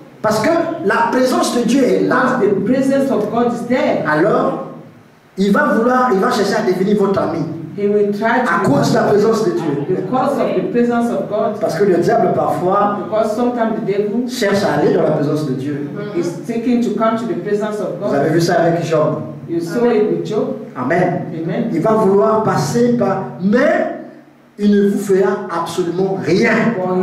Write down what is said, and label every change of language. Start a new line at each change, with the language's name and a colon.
French: Parce que la présence de Dieu est là.
English: The presence of God is there.
French: Alors, il va chercher à devenir votre ami.
English: He will try to
French: à cause de la présence de Dieu.
English: Because of the presence of God.
French: Parce que le diable parfois.
English: Because sometimes the devil
French: cherche à aller dans la présence de Dieu.
English: Is seeking to come to the presence of God.
French: Vous avez vu ça avec Job.
English: You saw it with Job. Amen. Amen.
French: Il va vouloir passer par, mais il ne vous fera absolument rien.